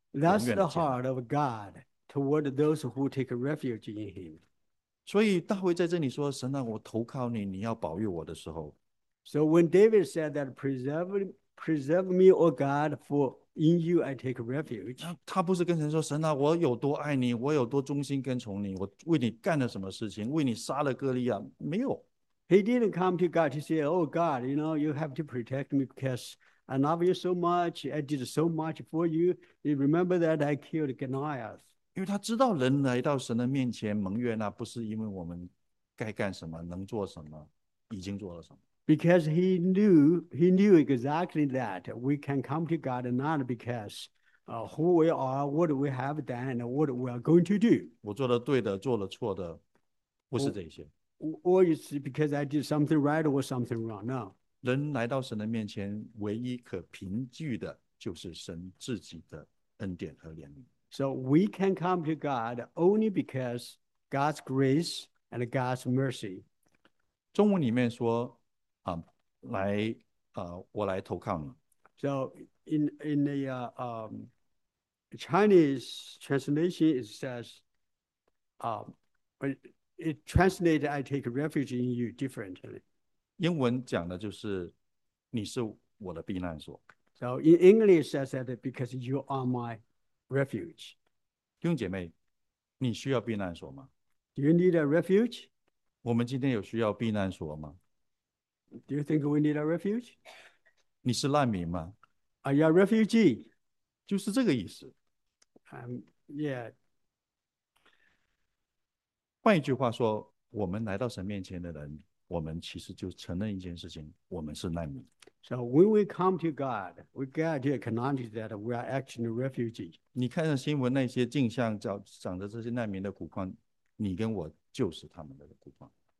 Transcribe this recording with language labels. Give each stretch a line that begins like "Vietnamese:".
English: That's the heart of God toward those who take refuge in Him.
Chinese: 所以大卫在这里说：“神啊，我投靠你，你要保佑我的时候。”
English: So when David said that, preserve me, O God, for in you I take refuge.
Chinese: 他不是跟神说：“神啊，我有多爱你，我有多忠心跟从你，我为你干了什么事情，为你杀了歌利亚。”没有。
English: He didn't come to God to say, Oh God, you have to protect me because I love you so much. I did so much for you. You remember that I killed Goliath.
Chinese: 因为他知道人来到神的面前蒙悦纳，不是因为我们该干什么、能做什么、已经做了什么。
English: Because he knew exactly that we can come to God not because who we are, what we have done, and what we are going to do.
Chinese: 我做了对的，做了错的。
English: Or it's because I did something right or something wrong. No.
Chinese: 人来到神的面前, 唯一可凭据的就是神自己的恩典和怜悯。
English: So we can come to God only because God's grace and God's mercy.
Chinese: 中文里面说, 啊, 来, 啊, 我来投靠你。
English: So in the Chinese translation, it says, it translated, I take refuge in you differently.
Chinese: 英文讲的就是, 你是我的避难所。
English: So in English, I said, because you are my refuge.
Chinese: 弟兄姐妹, 你需要避难所吗?
English: Do you need a refuge?
Chinese: 我们今天有需要避难所吗?
English: Do you think we need a refuge?
Chinese: 你是难民吗?
English: Are you a refugee?
Chinese: 就是这个意思。
English: Yeah.
Chinese: 换一句话说, 我们来到神面前的人, 我们其实就承认一件事情, 我们是难民。
English: So when we come to God, we got to acknowledge that we are actually refugees.
Chinese: 你看上新闻那些镜像, 长着这些难民的骨况, 你跟我就是他们的骨况。